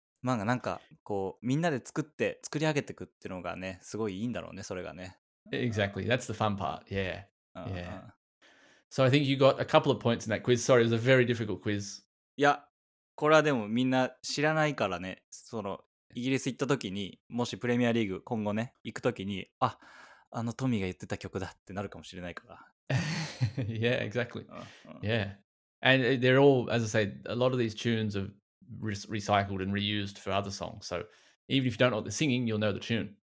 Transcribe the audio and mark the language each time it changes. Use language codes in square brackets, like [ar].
[ja] まあなんかこうみんなで作り上げていくっていうのがね、すごいいいんだろうね、それがね。 [en] Exactly. That's the fun part. Yeah. Yeah. So I think you got a couple of points in that quiz. Sorry, it was a very difficult quiz. [ja] いや、これはでもみんな知らないからね、そのイギリス行った時に、もしプレミアリーグ今後ね、行く時に、あのトミーが言ってた曲だってなるかもしれないから。 [en] Yeah, exactly. Yeah. And they're all, as I say, a lot of these tunes are recycled and reused for other songs. So even if you don't know what they're singing, you'll know the tune.